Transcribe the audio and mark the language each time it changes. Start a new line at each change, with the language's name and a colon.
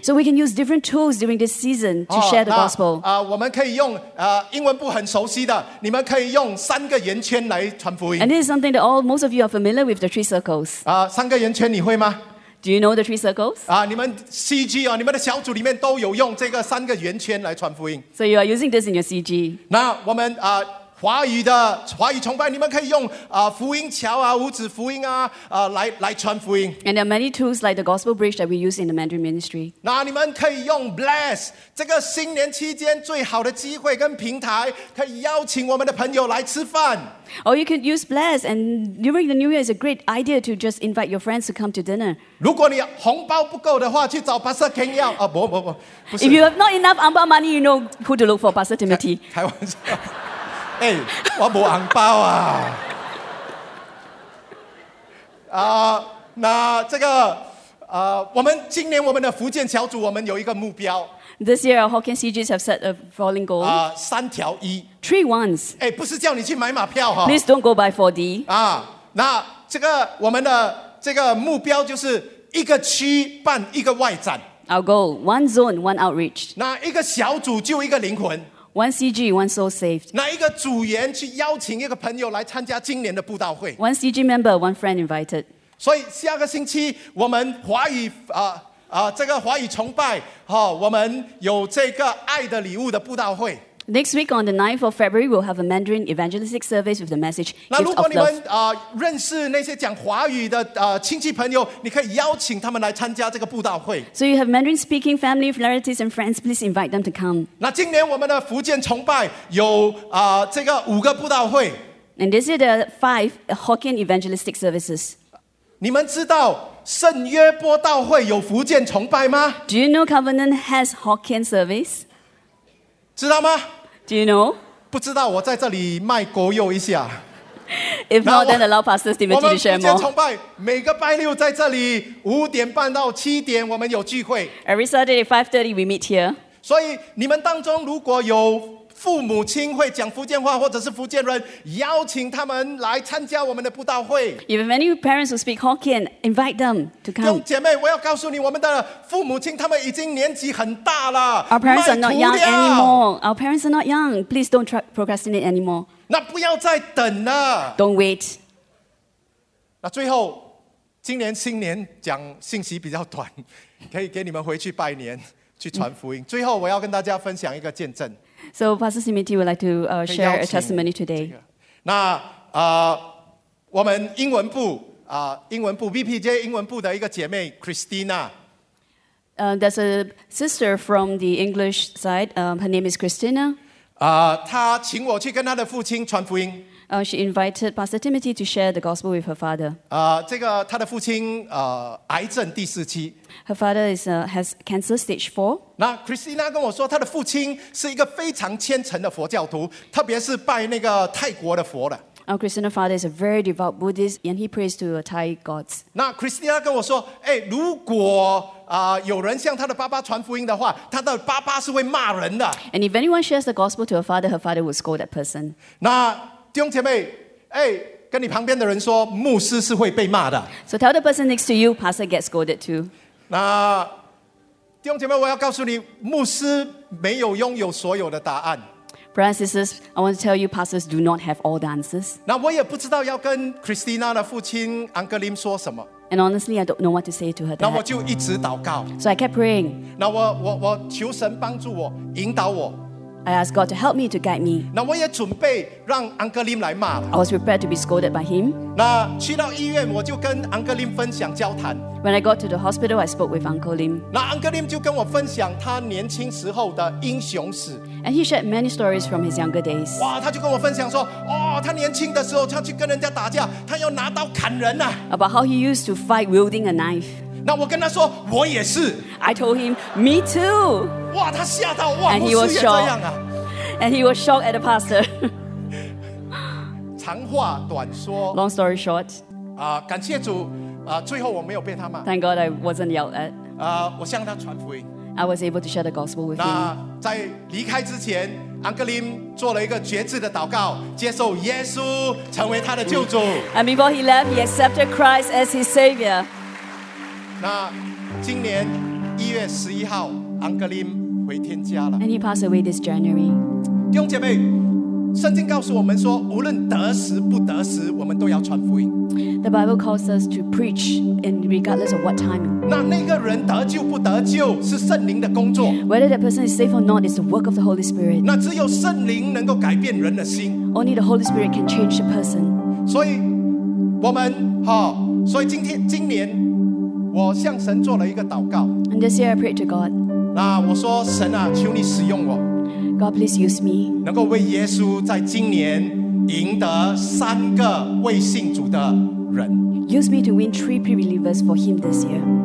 English: So we can use different tools during this season to share the gospel.
Chinese: 我们可以用英文不很熟悉的，你们可以用三个圆圈来传福音。
English: And this is something that all most of you are familiar with, the three circles.
Chinese: 三个圆圈你会吗？
English: Do you know the three circles?
Chinese: 你们 CG 啊，你们的小组里面都有用这个三个圆圈来传福音。
English: So you are using this in your CG.
Chinese: 那我们华语的华语崇拜，你们可以用福音桥啊、五指福音啊来传福音。
English: And there are many tools like the gospel bridge that we use in the Mandarin ministry.
Chinese: 那你们可以用 Bless 这个新年期间最好的机会跟平台，可以邀请我们的朋友来吃饭。
English: Or you can use Bless, and during the New Year is a great idea to just invite your friends to come to dinner.
Chinese: 如果你红包不够的话，去找 Pastor Ken 要啊，不不不，不是。
English: If you have not enough 红包 money, you know who to look for, Pastor Timothy.
Chinese: 开玩笑。哎，我没红包啊！那这个我们今年我们的福建小组，我们有一个目标。
English: This year, our Hawkin CGs have set a rolling goal.
Chinese: 三条一。
English: Three ones.
Chinese: 哎，不是叫你去买马票哈。
English: Please don't go buy 4D.
Chinese: 那这个我们的这个目标就是一个区办一个外展。
English: Our goal: one zone, one outreach.
Chinese: 那一个小组就一个灵魂。
English: One CG, one soul saved.
Chinese: 哪一个组员去邀请一个朋友来参加今年的布道会
English: ？One CG member, one friend invited.
Chinese: 所以下个星期我们华语这个华语崇拜哈，我们有这个爱的礼物的布道会。
English: Next week on the 9th of February, we'll have a Mandarin evangelistic service with the message Gift of Love.
Chinese: 那如果你们认识那些讲华语的亲戚朋友，你可以邀请他们来参加这个布道会。
English: So you have Mandarin speaking family, relatives, and friends, please invite them to come.
Chinese: 那今年我们的福建崇拜有这个五个布道会。
English: And this is the 5 Hokkien evangelistic services.
Chinese: 你们知道圣约波道会有福建崇拜吗
English: ？Do you know Covenant has Hokkien service?
Chinese: 知道吗
English: ？Do you know？
Chinese: 不知道，我在这里卖国肉一下。
English: If not, then allow Pastor Timothy to share more.
Chinese: 我们福建崇拜每个拜六在这里五点半到七点，我们有聚会。
English: Every Saturday 5:30 we meet here.
Chinese: 所以你们当中如果有父母亲会讲福建话或者是福建人，邀请他们来参加我们的布道会。
English: If any parents who speak Hokkien, invite them to come.
Chinese: 姐妹，我要告诉你，我们的父母亲他们已经年纪很大了。
English: Our parents are not young anymore. Our parents are not young. Please don't procrastinate anymore.
Chinese: 那不要再等了。
English: Don't wait.
Chinese: 那最后，今年新年讲信息比较短，可以给你们回去拜年去传福音。最后，我要跟大家分享一个见证。
English: So Pastor Timothy would like to share a testimony today.
Chinese: 那我们英文部英文部 BPJ 英文部的一个姐妹 Christina.
English: There's a sister from the English side. Her name is Christina.
Chinese: 她请我去跟她的父亲传福音。
English: She invited Pastor Timothy to share the gospel with her father.
Chinese: 这个她的父亲癌症第四期。
English: Her father has cancer stage 4.
Chinese: 那 Christina 跟我说，她的父亲是一个非常虔诚的佛教徒，特别是拜那个泰国的佛的。
English: Christina's father is a very devout Buddhist, and he prays to Thai gods.
Chinese: 那 Christina 跟我说，哎，如果有人向他的爸爸传福音的话，他的爸爸是会骂人的。
English: And if anyone shares the gospel to her father would scold that person.
Chinese: 那弟兄姐妹，哎。跟你旁边的人说，牧师是会被骂的。
English: So tell the person next to you, pastor gets scolded too.
Chinese: 那弟兄姐妹，我要告诉你，牧师没有拥有所有的答案。
English: Brothers and sisters, I want to tell you, pastors do not have all the answers.
Chinese: 那我也不知道要跟 Christina 的父亲 Uncle Lim 说什么。
English: And honestly, I don't know what to say to her dad.
Chinese: 那我就一直祷告。
English: So I kept praying.
Chinese: 那我求神帮助我，引导我。
English: I asked God to help me, to guide me.
Chinese: 那我也准备让 Uncle Lim 来骂了。
English: I was prepared to be scolded by him.
Chinese: 那去到医院，我就跟 Uncle Lim 分享交谈。
English: When I got to the hospital, I spoke with Uncle Lim.
Chinese: 那 Uncle Lim 就跟我分享他年轻时候的英雄史。
English: And he shared many stories from his younger days.
Chinese: 哇，他就跟我分享说，哦，他年轻的时候，他去跟人家打架，他要拿刀砍人呐。
English: About how he used to fight wielding a knife.
Chinese: 那我跟他说，我也是。
English: I told him, me too.
Chinese: 哇，他吓到哇，牧师也这样啊。
English: And he was shocked at the pastor.
Chinese: 长话短说
English: Long story short.
Chinese: 感谢主最后我没有被他骂
English: Thank God I wasn't yelled at.
Chinese: 我向他传福音
English: I was able to share the gospel with him.
Chinese: 在离开之前安格林做了一个决志的祷告接受耶稣成为他的救主
English: And before he left, he accepted Christ as his savior.
Chinese: 那今年1月11号安格林回天家了
English: And he passed away this January.
Chinese: 弟兄姐妹圣经告诉我们说无论得时不得时我们都要传福音
English: The Bible calls us to preach in regardless of what time
Chinese: 那个人得救不得救是圣灵的工作
English: Whether that person is saved or not is the work of the Holy Spirit
Chinese: 那只有圣灵能够改变人的心
English: Only the Holy Spirit can change the person
Chinese: 所以我们、哦、所以今年我向神做了一个祷告
English: And this year I prayed to God
Chinese: 那我说神啊求你使用我
English: God, please use me.
Chinese: 能够为耶稣在今年赢得三个未信主的人。
English: Use me to win 3 pre-believers for him this year.